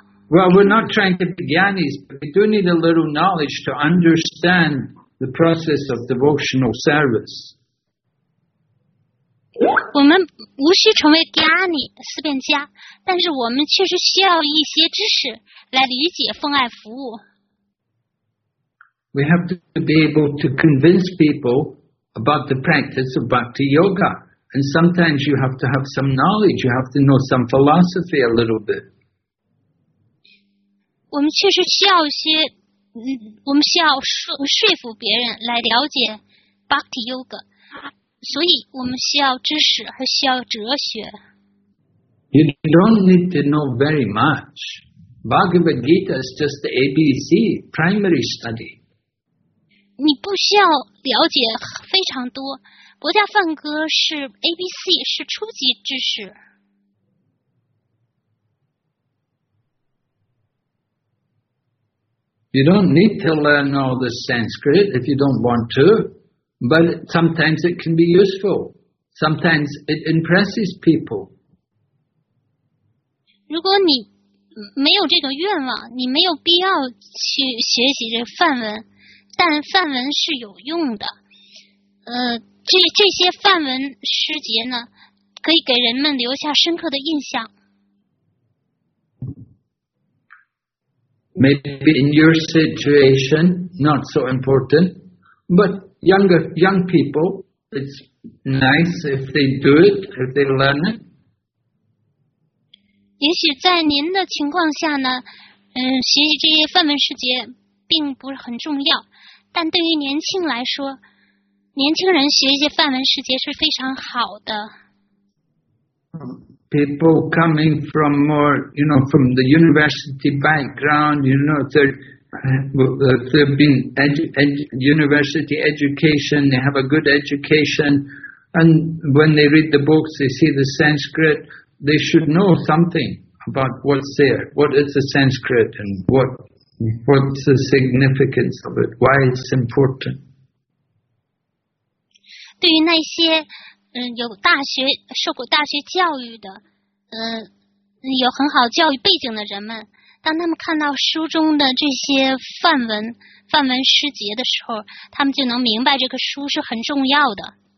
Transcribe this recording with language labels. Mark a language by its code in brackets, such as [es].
[en] Well, we're not trying to be gyanis, but we do need a little knowledge to understand the process of devotional service. [zh] 我们无需成为 gyani 四遍家，但是我们确实需要一些知识来理解奉爱服务。 [en] We have to be able to convince people about the practice of bhakti yoga, and sometimes you have to have some knowledge. You have to know some philosophy a little bit. [zh] 我们确实需要一些。我们需要 说服别人来了解 Bhakti Yoga， 所以我们需要知识和需要哲学。 [en] You don't need to know very much. Bhagavad Gita is just the ABC primary study. [zh] 你不需要了解非常多，博伽梵歌是 ABC， 是初级知识。 [en] You don't need to learn all the Sanskrit if you don't want to, but sometimes it can be useful. Sometimes it impresses people. [zh] 如果你没有这个愿望，你没有必要去学习这梵文，但梵文是有用的。这些梵文诗节呢，可以给人们留下深刻的印象。 [en] Maybe in your situation, not so important. But young people, it's nice if they do it, if they learn it. [zh] 也许在您的情况下呢，学习这些梵文诗节并不是很重要。但对于年轻来说，年轻人学习梵文诗节是非常好的。 [en] People coming from more, you know, from the university background, you know, if they've been university education, they have a good education, and when they read the books, they see the Sanskrit, they should know something about what's there. What is the Sanskrit and what's the significance of it? Why it's important? [zh] 对于那些有大学受过大学教育的，有很好教育背景的人们，当他们看到书中的这些梵文诗节的时候，他们就能明白这个书是很重要的。